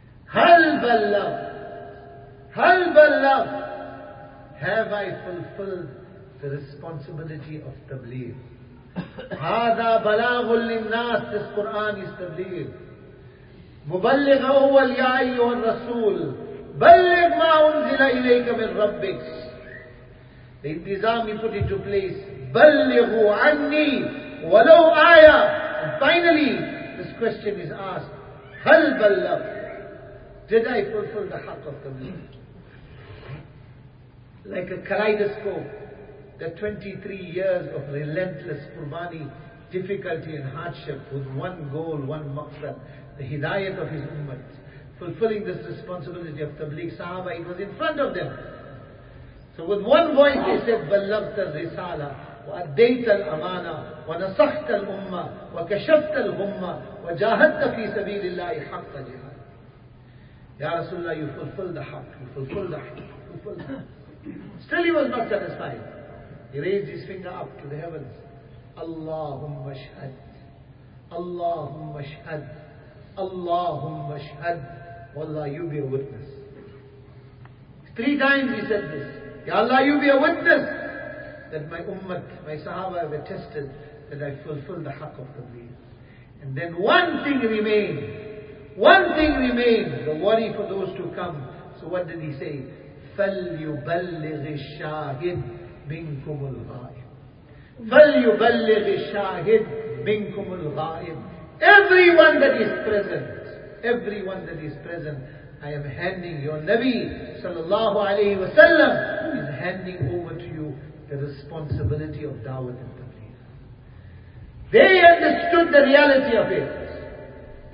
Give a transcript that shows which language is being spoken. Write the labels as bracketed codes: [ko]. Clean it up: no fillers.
[en] Hal ballagh. Hal ballagh, have I fulfilled the responsibility of tabligh? Hada balaghul linnas, this Quran is tabligh. [ar] مبلغ هو يا أيها الرسول بلغ ما أنزل إليك من ربك. [en] The intizam he put into place. [ar] بلغ عني ولو آية. [en] And finally, this question is asked. [ar] هل بلغ؟ [en] Did I fulfill the حق of the meaning? Like a kaleidoscope, the 23 years of relentless qurbani, difficulty and hardship with one goal, one maqsad, the hidayat of his ummah, fulfilling this responsibility of tabligh sahaba, it was in front of them. So with one voice they said, [ar] بَلَّغْتَ الرِّسَالَةِ وَأَدَّيْتَ الْأَمَانَةِ وَنَصَحْتَ الْأُمَّةِ وَكَشَفْتَ الْغُمَّةِ وَجَاهَدْتَ فِي سَبِيلِ اللَّهِ حَقَّ جِهَادٍ. [en] Ya Rasulullah, you fulfilled the haqq, you fulfilled the haqq, you fulfilled the haqq. Still he was not satisfied. He raised his finger up to the heavens. [ar] Allahumma shahad. Allahumma shahad. [en] Allahumma shahad. Wallah, you be a witness. Three times he said this. Ya Allah, you be a witness that my ummah, my sahaba have attested that I fulfilled the haqq of the deen. And then one thing remained. One thing remained. The worry for those to come. So what did he say? [ar] فليبلغ الشاهد منكم الغائب. فليبلغ الشاهد منكم الغائب. [en] Everyone that is present, everyone that is present, I am handing your Nabi sallallahu alayhi wa sallam is handing over to you the responsibility of Dawat and Tabligh. They understood the reality of it.